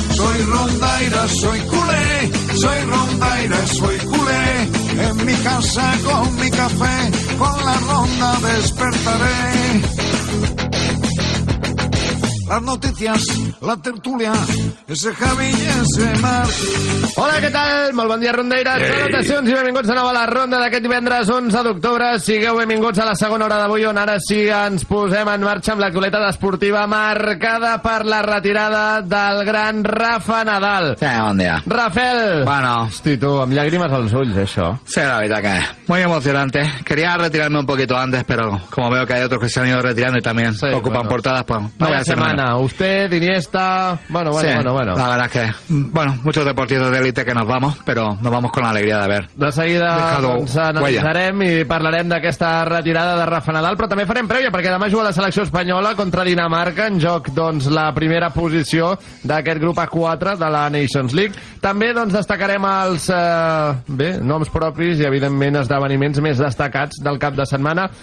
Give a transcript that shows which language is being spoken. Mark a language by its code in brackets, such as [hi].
[es] Soy rondaira, soy culé, soy rondaira, soy culé. En mi casa con mi café, con la ronda despertaré. Las noticias, la tertulia, ese Javi y ese Mar. Hola, ¿qué tal? [ca] Molt bon dia, rondaires. Salutacions i benvinguts a la ronda d'aquest divendres 11 d'octubre. Sigueu benvinguts a la segona hora d'avui, on ara sí ens posem en marxa amb l'actualitat esportiva marcada per la retirada del gran Rafa Nadal. Sí, bon dia. Rafael. [es] Bueno. [ca] Hosti, tu, amb llàgrimes als ulls, això. Sí, la veritat que [es] muy emocionante. Quería retirarme un poquito antes, pero como veo que hay otros que se han ido retirando y también sí, ocupan bueno. portadas, pues no voy a ser. Ana, usted, Iniesta, bueno, bueno, sí, bueno, bueno. La verdad es que, bueno, muchos deportistas de élite que nos vamos, pero nos vamos con la alegría de haber. [ca] De seguida ens analitzarem i parlarem d'aquesta retirada de Rafa Nadal, però també farem prèvia, perquè demà juga la selecció espanyola contra Dinamarca, en joc, doncs, la primera posició d'aquest grup A4 de la Nations League. També, doncs, destacarem els, bé, noms propis i, evidentment, esdeveniments més destacats del cap de setmana.